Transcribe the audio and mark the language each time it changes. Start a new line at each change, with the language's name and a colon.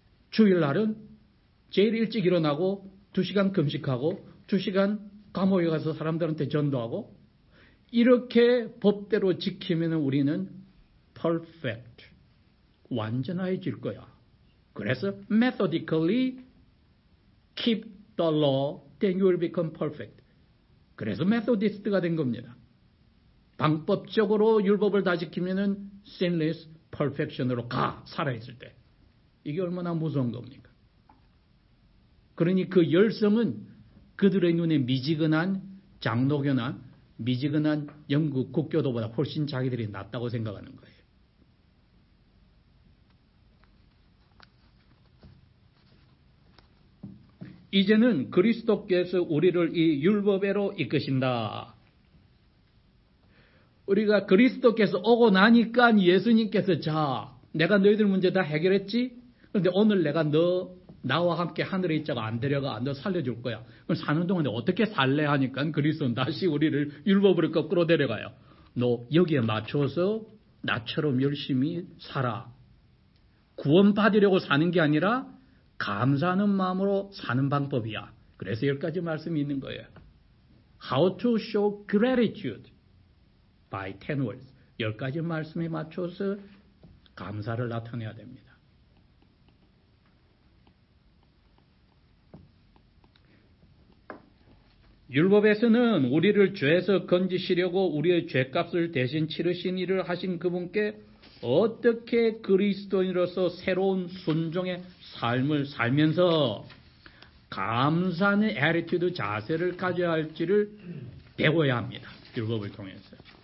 Korean: 주일날은 제일 일찍 일어나고 2시간 금식하고 2시간 감옥에 가서 사람들한테 전도하고, 이렇게 법대로 지키면 우리는 퍼펙트, 완전해질 거야. 그래서
English: methodically keep the law, then you will become perfect.
Korean: 그래서 메소디스트가 된 겁니다. 방법적으로 율법을 다 지키면은
English: sinless perfection
Korean: 으로 가, 살아있을 때. 이게 얼마나 무서운 겁니까? 그러니 그 열성은 그들의 눈에 미지근한 장로교나 미지근한 영국 국교도보다 훨씬 자기들이 낫다고 생각하는 거예요. 이제는 그리스도께서 우리를 이 율법에로 이끄신다. 우리가 그리스도께서 오고 나니까 예수님께서, 자, 내가 너희들 문제 다 해결했지? 그런데 오늘 내가 너, 나와 함께 하늘에 있자고 안 데려가, 너 살려줄 거야. 그럼 사는 동안에 어떻게 살래? 하니까 그리스도는 다시 우리를 율법으로 거꾸로 데려가요. 너 여기에 맞춰서 나처럼 열심히 살아. 구원받으려고 사는 게 아니라 감사하는 마음으로 사는 방법이야. 그래서 열 가지 말씀이 있는 거예요.
English: How to show gratitude by 10 words.
Korean: 열 가지 말씀에 맞춰서 감사를 나타내야 됩니다. 율법에서는 우리를 죄에서 건지시려고 우리의 죄값을 대신 치르신 일을 하신 그분께 어떻게 그리스도인으로서 새로운 순종의 삶을 살면서 감사하는 attitude, 자세를 가져야 할지를 배워야 합니다. 율법을 통해서.